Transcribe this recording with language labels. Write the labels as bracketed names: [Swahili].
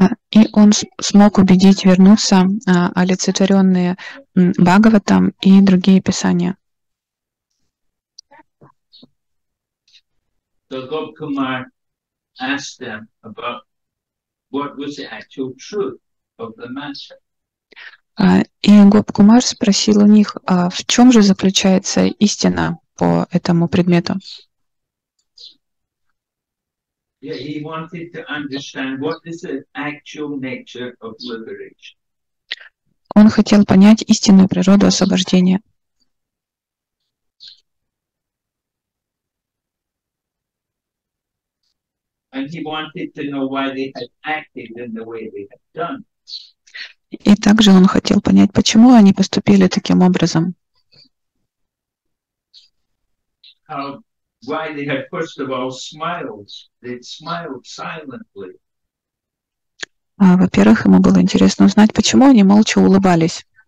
[Russian] И он смог убедить вернуться олицетворенные Бхагаватам и другие писания. [English] So Gop Kumar asked them about what was the actual truth of the matter. [Russian] И Гоп Кумар спросил у них, в чем же заключается истина по этому предмету. [English] Yeah, he wanted to understand what is the actual nature of liberation. [Russian] Он хотел понять истинную природу освобождения. [English] And he wanted to know why they had acted in the way they had done. [Russian] И также он хотел понять, почему они поступили таким образом. [English] Why they had first of all smiled. They'd smiled silently. [Russian] Во-первых, ему было интересно узнать, почему они молча улыбались.